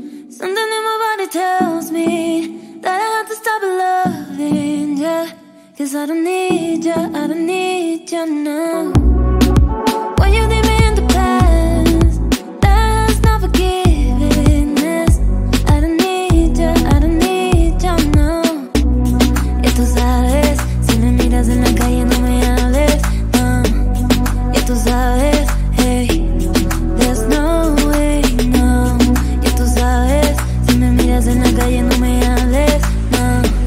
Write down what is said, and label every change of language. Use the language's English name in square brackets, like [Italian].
[English] Something in my body tells me that I have to stop loving ya. Cause I don't need ya, I don't need ya now. When you leave me in the past, that's not forgiveness. I don't need ya, I don't need ya now. [Spanish] Y tú sabes, si me miras en la calle no me hables, no. Y tú sabes, [English] hey, there's no way, no. [Spanish] Y tú sabes, si me miras en la calle no me hables, no.